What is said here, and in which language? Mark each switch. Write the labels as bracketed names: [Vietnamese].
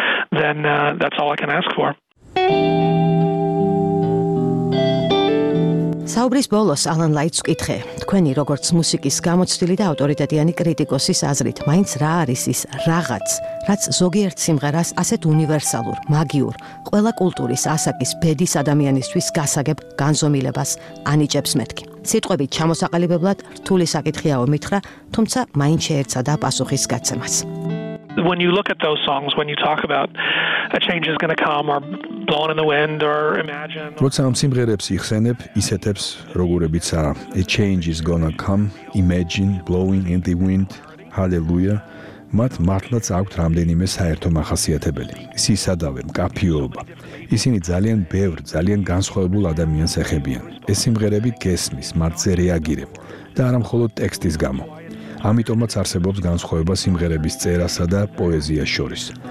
[English] Then that's all I can ask for. [Georgian] საუბრის ბოლოს ალან ლაიტს ვკითხე, თქვენი როგორც მუსიკის გამოცდილი და ავტორიტეტიანი კრიტიკოსის აზრით, მაინც რა არის ის რაღაც, რაც ზოგიერთ სიმღერას ასეთ უნივერსალურ, მაგიურ, ყველა კულტურის ასაკის ბედის ადამიანისთვის გასაგებ განზომილებას ანიჭებს მეთქი? სიტყვებით ჩამოსაყალიბებლად რთული საკითხია ომითხრა, თუმცა მაინც შეერცადა პასუხის გაცემას. [English] When you look at those songs, when you talk about a change is going to come or blown in the wind or imagine. [Georgian] როცა ამ სიმღერებს იხსენებ, ისეთებს, როგორებიცაა A change is going to come, imagine, blowing in the wind, hallelujah. მათ მართლაც აქვთ რამდენიმე საერთო მახასიათებელი. სისადავე, მკაფიობა. ისინი ძალიან ბევრ, ძალიან განსხვავებულ ადამიანს ეხებიან. ეს სიმღერები გესმის, მარცხზე რეაგირებ და არა მხოლოდ ტექსტის გამო. ამიტომაც არსებობს განსხვავება სიმღერების წერასა და პოეზიას შორის.